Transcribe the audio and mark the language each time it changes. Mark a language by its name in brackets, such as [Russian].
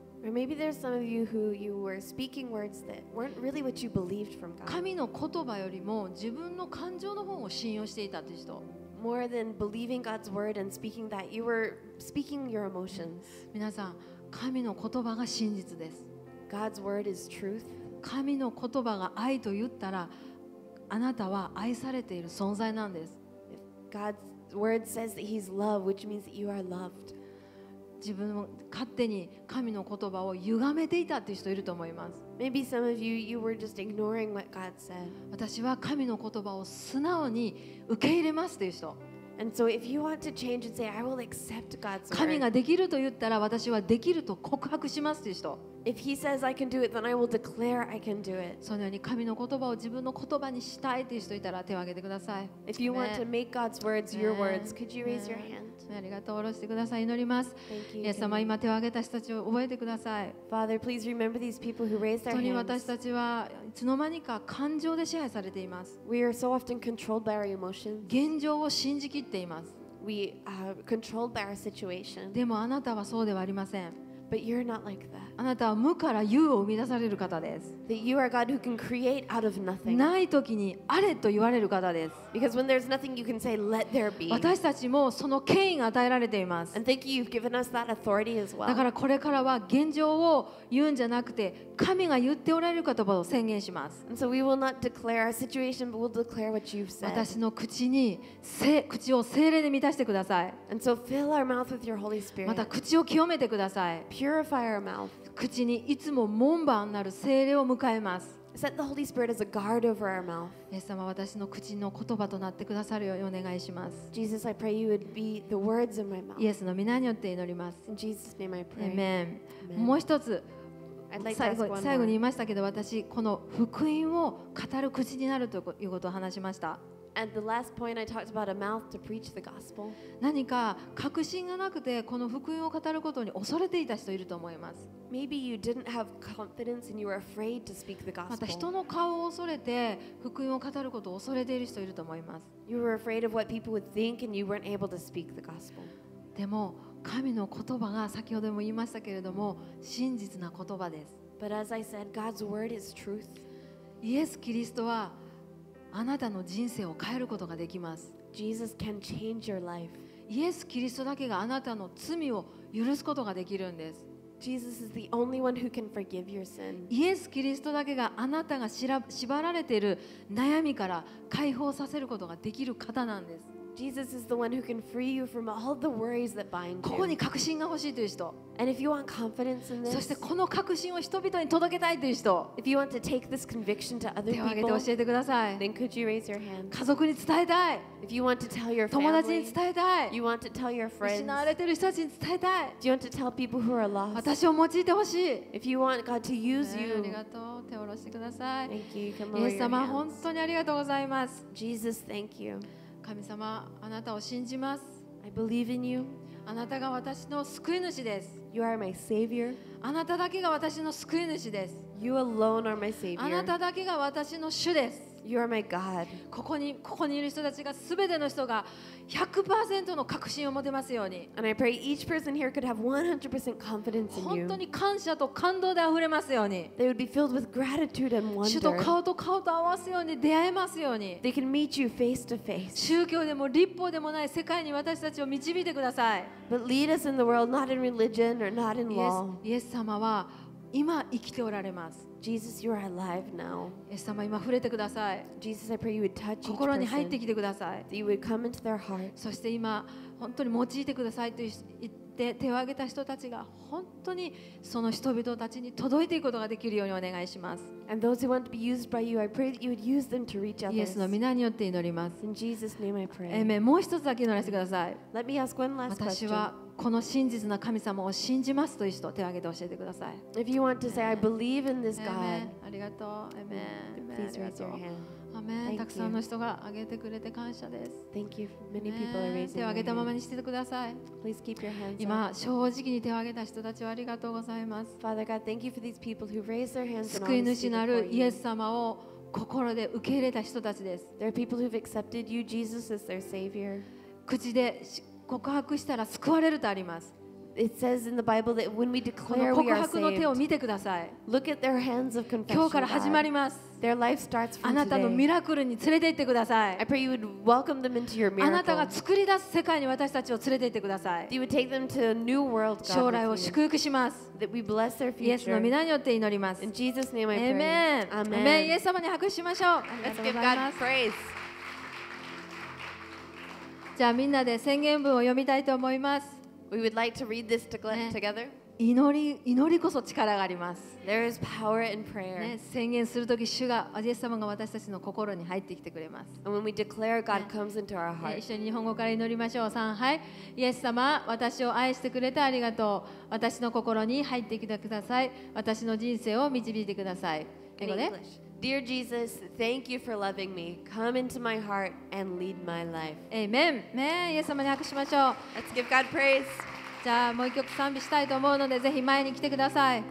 [English] Maybe there's some of you who you were speaking words that weren't really what you believed from God. [Japanese] 神の言葉よりも自分の感情の方を信用していたという人。 [English] more than believing God's word and speaking that, you were speaking your emotions. [Japanese] 皆さん、神の言葉が真実です。 [English] God's word is truth. [Japanese] 神の言葉が愛と言ったら、あなたは愛されている存在なんです。 [English] If God's word says that he's love, which means that you are loved. [Japanese] 自分も勝手に神の言葉を歪めていたっていう人いると思います。 [English] Maybe some of you, you were just ignoring what God said. [Japanese] 私は神の言葉を素直に受け入れますっていう人。 [English] And so if you want to change and say, I will accept God's word. [Japanese] 神ができると言ったら私はできると告白しますっていう人。 [English] If he says I can do it, then I will declare I can do it. [Japanese] そのように神の言葉を自分の言葉にしたいという人いたら手を挙げてください。 [English] If you want to make God's words your words, could you raise your hand? [Japanese] ありがとう、下ろしてください。祈ります。イエス様、今手を挙げた人たちを覚えてください。 [English] Father, please remember these people who raised their hands. [Japanese] 本当に私たちはいつの間にか感情で支配されています。 [English] We are so often controlled by our emotions. [Japanese] 現状を信じきっています。 [English] We are controlled by our situation. [Japanese] でもあなたはそうではありません。 [English] But you're not like that. [Japanese] あなたは無から有を生み出される方です。 [English] That you are God who can create out of nothing. [Japanese] ない時にあれと言われる方です。 [English] Because when there's nothing, you can say, "Let there be." [Japanese] 私たちもその権威が与えられています。 [English] And thank you, you've given us that authority as well. [Japanese] だからこれからは現状を言うんじゃなくて、神が言っておられる言葉を宣言します。 [English] And so we will not declare our situation, but we'll declare what you've said. [Japanese] 私の口を聖霊で満たしてください。 [English] And so fill our mouth with your Holy Spirit. [Japanese] また口を清めてください。 [English] Purify our mouth. [Japanese] 口にいつも門番なる聖霊を迎えます。 [English] Set the Holy Spirit as a guard over our mouth. [Japanese] イエス様、私の口の言葉となってくださるようお願いします。 [English] Jesus, I pray you would be the words in my mouth. [Japanese] イエスの御名によって祈ります。 [English] In Jesus' name I pray. Amen. [Japanese] もう一つ、最後に言いましたけど、私この福音を語る口になるということを話しました。 [English] And the last point I talked about a mouth to preach the gospel. [Japanese] 何か確信がなくてこの福音を語ることに恐れていた人いると思います。 [English] Maybe you didn't have confidence and you were afraid to speak the gospel. [Japanese] また人の顔を恐れて福音を語ることを恐れている人いると思います。 [English] You were afraid of what people would think and you weren't able to speak the gospel. [Japanese] でも神の言葉が先ほども言いましたけれども真実な言葉です。 [English] But as I said, God's word is truth. [Japanese] イエス・キリストはあなたの人生を変えることができます。 [English] Jesus can change your life. [Japanese] イエス・キリストだけがあなたの罪を許すことができるんです。 [English] Jesus is the only one who can forgive your sin. [Japanese] イエス・キリストだけがあなたが縛られている悩みから解放させることができる方なんです。 [English] Jesus is the one who can free you from all the worries that bind you. [Japanese] ここに確信が欲しいという人。 [English] And if you want confidence in this, [Japanese] そしてこの確信を人々に届けたいという人。 [English] If you want to take this conviction to other people, [Japanese] 手を挙げて教えてください。 [English] Then could you raise your hand? [Japanese] 家族に伝えたい。 [English] If you want to tell your family, [Japanese] 友達に伝えたい。 [English] You want to tell your friends, [Japanese] 失われている人たちに伝えたい。 [English] Do you want to tell people who are lost? [Japanese] 私を用いてほしい。 [English] If you want God to use you, [Japanese] ありがとう。手を下ろしてください。 [English] Thank you. Come over here. [Japanese] イエス様、本当にありがとうございます。 [English] Jesus, thank you. [Japanese] 神様、あなたを信じます。 [English] I believe in you. [Japanese] あなたが私の救い主です。 [English] You are my savior. [Japanese] あなただけが私の救い主です。 [English] You alone are my savior. [Japanese] あなただけが私の主です。 [English] You are my God. [Japanese] ここにいる人たちが全ての人が 100% の確信を持てますように。 [English] And I pray each person here could have 100% confidence in you. [Japanese] 本当に感謝と感動であふれますように。 [English] They would be filled with gratitude and wonder. [Japanese] 主と顔と顔と合わすように出会えますように。 [English] They can meet you face to face. [Japanese] 宗教でも立法でもない世界に私たちを導いてください。 [English] But lead us in the world, not in religion or not in law. [Japanese] イエス様は今生きておられます。 [English] Jesus, you are alive now. [Japanese] イエス様、今触れてください。 [English] Jesus, I pray you would touch each person. [Japanese] 心に入ってきてください。 [English] That you would come into their heart. [Japanese] そして今、本当に用いてくださいと言って手を挙げた人たちが本当にその人々たちに届いていくことができるようにお願いします。 [English] And those who want to be used by you, I pray that you would use them to reach others. [Japanese] イエスの御名によって祈ります。 [English] In Jesus' name I pray. Amen. [Japanese] もう一つだけ祈らせてください。 [English] Let me ask one last question. [Japanese] 私はこの真実な神様を信じますという人手を挙げて教えてください。 [English] If you want to say I believe in this God, Amen. [Japanese] ありがとう。 [English] Amen. Please raise your hand. Amen. [Japanese] たくさんの人が挙げてくれて感謝です。 [English] Thank you. Many people are raising their hands. [Japanese] 手を挙げたままにしててください。 [English] Please keep your hands up. [Japanese] 今正直に手を挙げた人たちをありがとうございます。 [English] Father God, thank you for these people who raised their hands. [Japanese] 救い主なるイエス様を心で受け入れた人たちです。 [English] There are people who've accepted you, Jesus, as their savior. [Japanese] 口で告白したら救われるとあります。 [English] It says in the Bible that when we declare we are saved, look at their hands of confession. Their life starts from today. [Japanese] あなたのミラクルに連れて行ってください。 [English] I pray you would welcome them into your miracle. [Japanese] あなたが作り出す世界に私たちを連れて行ってください。 [English] You would take them to a new world, God. [Japanese] 将来を祝福します。 [English] That we bless their future. [Japanese] イエスの御名によって祈ります。 [English] In Jesus' name I pray. Amen. Amen. [Japanese] イエス様に拍手しましょう。 [English] Let's give God praise. [Japanese] じゃあみんなで宣言文を読みたいと思います。 [English] We would like to read this together. [Japanese] 祈りこそ力があります。 [English] There is power in prayer. [Japanese] ね、宣言するとき主が、イエス様が私たちの心に入ってきてくれます。 [English] And when we declare, God comes into our heart. [Japanese] 一緒に日本語から祈りましょう。3、はい。イエス様、私を愛してくれてありがとう。私の心に入ってきてください。私の人生を導いてください。英語で。 [English] Dear Jesus, thank you for loving me. Come into my heart and lead my life. Amen. [Japanese] ね、イエス様に拍手しましょう。 [English] Let's give God praise. [Japanese] じゃあもう一曲賛美したいと思うのでぜひ前に来てください。